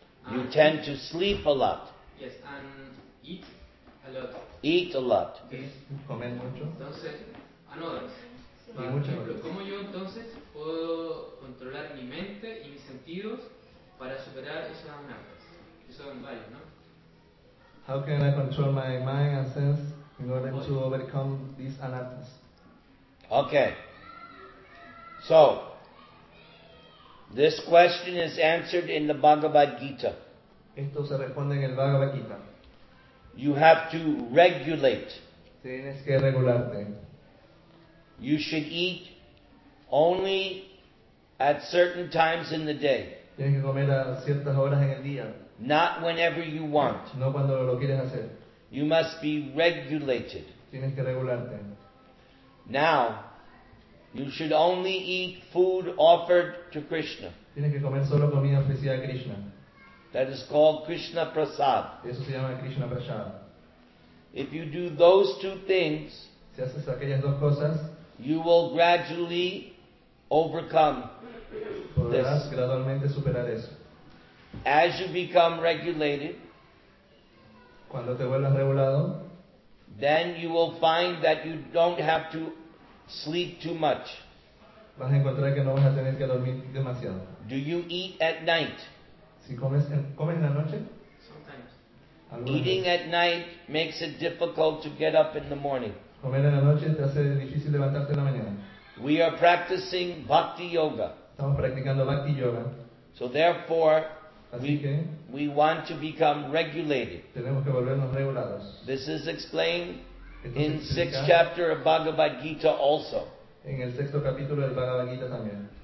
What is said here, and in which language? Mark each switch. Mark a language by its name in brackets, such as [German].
[English] You tend to sleep a lot. Yes, and eat a lot. Eat a lot. [Spanish] Comer mucho. [English] Entonces, another. [Spanish] Por ejemplo, ¿cómo yo entonces puedo controlar mi mente y mis sentidos para superar esas amenazas? Que son varios, ¿no? [English] How can I control my mind and sense in order to overcome these anattas? Okay. So, this question is answered in the Bhagavad Gita. [Spanish] Esto se responde en el Bhagavad Gita. [English] You have to regulate. [Spanish] Tienes que regularte. [English] You should eat only at certain times in the day. [Spanish] Tienes que comer a ciertas horas en el día. [English] Not whenever you want. [Spanish] No cuando lo quieres hacer. [English] You must be regulated. [Spanish] Tienes que regularte. [English] Now, you should only eat food offered to Krishna. [Spanish] Tienes que comer solo comida ofrecida a Krishna. [English] That is called Krishna Prasad. [Spanish] Eso se llama Krishna Prasad. [English] If you do those two things, [Spanish] si haces aquellas dos cosas, [English] you will gradually overcome [Spanish] podrás [English] this. [Spanish] Gradualmente superar eso. [English] As you become regulated, [Spanish] cuando te vuelvas regulado, [English] then you will find that you don't have to sleep too much. [Spanish] Vas a encontrar que no vas a tener que dormir demasiado. [English] Do you eat at night? [Spanish] Si comes, ¿comes en la noche? [English] Sometimes. Eating at night makes it difficult to get up in the morning. [Spanish] Comer en la noche te hace difícil levantarte en la mañana. [English] We are practicing bhakti yoga. [Spanish] Estamos practicando bhakti yoga. [English] So therefore, we want to become regulated. [Spanish] Tenemos que volvernos regulados. [English] This is explained in sixth chapter of Bhagavad Gita also. [Spanish] En el sexto capítulo del Bhagavad Gita también.